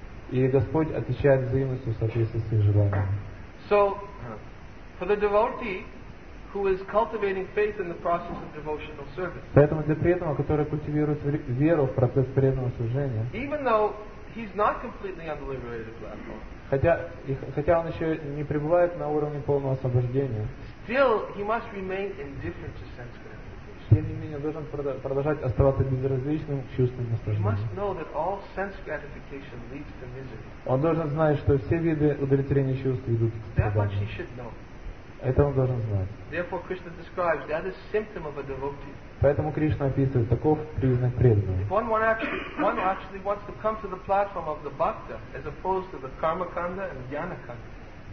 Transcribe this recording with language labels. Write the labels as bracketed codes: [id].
[ru] И Господь отвечает взаимностью в соответствии с их желаниями. [en] So, for the devotee, who is cultivating faith in the process of devotional service, [ru] поэтому для преданного, который культивирует веру в процесс преданного служения, [en] even though he's not completely on the liberated level, [ru] хотя он еще не пребывает на уровне полного освобождения, [en] still, he must remain indifferent to sense gratification. [ru] Тем не менее, он должен продолжать оставаться безразличным к чувственным наслаждениям. [en] He must know that all sense gratification leads to misery. [ru] Он должен знать, что все виды удовлетворения чувств ведут к страданию. [en] That much he should know. [ru] Это он должен знать. [en] Therefore, Krishna describes that is symptom of a devotee. [ru] Поэтому Кришна описывает, таков признак преданного. [en] If one actually wants to come to the platform of the bhakta, as opposed to the karmakanda and jnanakanda.